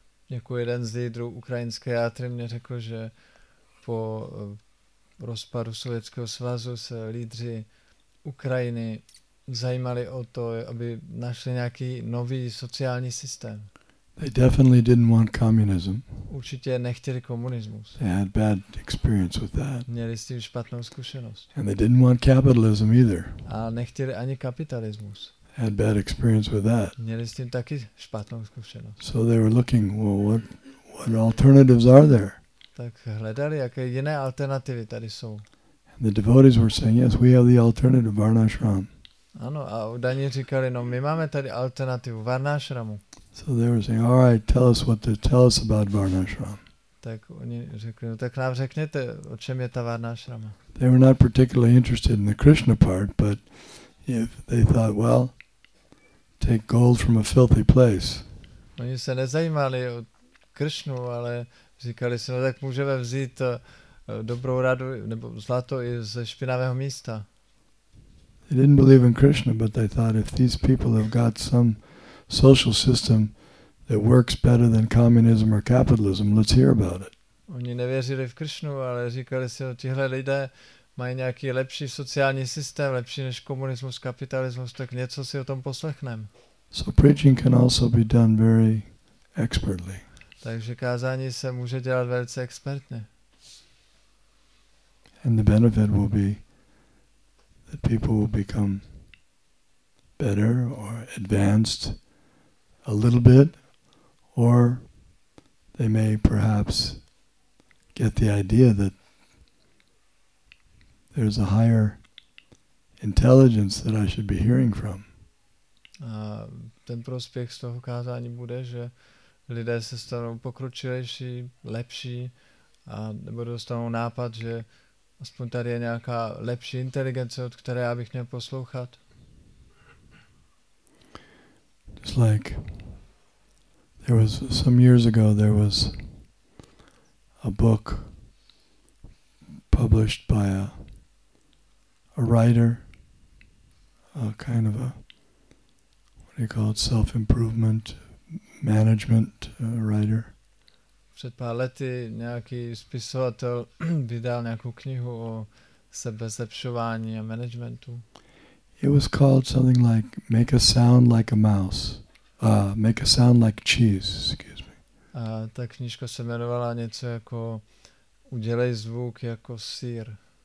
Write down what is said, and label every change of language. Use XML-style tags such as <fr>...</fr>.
<cs>Jako jeden z lídrů ukrajinské játry mě řekl, že po rozpadu Sovětského svazu se lídři Ukrajiny zajímali o to, aby našli nějaký nový sociální systém.</cs> <en>They definitely didn't want communism.</en> <cs>Určitě nechtěli komunismus.</cs> <en>They had bad experience with that.</en> <cs>Měli s tím špatnou zkušenost.</cs> <en>And they didn't want capitalism either.</en> <cs>A nechtěli ani kapitalismus.</cs> <en>They had bad experience with that.</en> <cs>Měli s tím taky špatnou zkušenost.</cs> <en>So they were looking, well, what alternatives are there?</en> <cs>Tak hledali, jaké jiné alternativy tady jsou.</cs> <en>And the devotees were saying, yes, we have the alternative, Varnashram.</en> <cs>Ano, a udaní říkali, no my máme tady alternativu, Varnashramu.</cs> <en>So they were saying, "All right, tell us what to tell us about Varnashram."</en> <cs>Tak oni řekli, tak nám řekněte, o čem je ta Varnashrama.</cs> <en>They were not particularly interested in the Krishna part, but if they thought, "Well, take gold from a filthy place."</en> <cs>Oni se nezajímali o Krishnu, ale říkali si, no tak můžeme vzít dobrou radu nebo zlato i ze špinavého místa.</cs> <en>They didn't believe in Krishna, but they thought if these people have got some social system that works better than communism or capitalism, let's hear about it.</en> <cs>Oni nevěřili v Kršnu, ale říkali si, že tihle lidé mají nějaký lepší sociální systém, lepší než komunismus, kapitalismus, tak něco si o tom poslechneme.</cs> <en>So preaching can also be done very expertly.</en> <cs>Takže kázání se může dělat velice expertně.</cs> <en>And the benefit will be that people will become better or advanced a little bit, or they may perhaps get the idea that there's a higher intelligence that I should be hearing from.</en> <cs>A ten prospěch z toho kázání bude, že lidé se stanou pokročilejší, lepší a nebo dostanou nápad, že aspoň tady je nějaká lepší inteligence, od které já bych měl poslouchat.</cs> <en>Just like there was some years ago, there was a book published by a writer, a kind of a, what do you call it, self-improvement management writer.</en> <cs>Před pár lety nějaký spisovatel vydal nějakou knihu o sebezlepšování a managementu.</cs> <en>It was called something like "Make a Sound Like a Mouse." Make a sound like cheese, excuse me.</en> <cs>A ta knížka se jmenovala něco jako udělej zvuk jako sýr.</cs>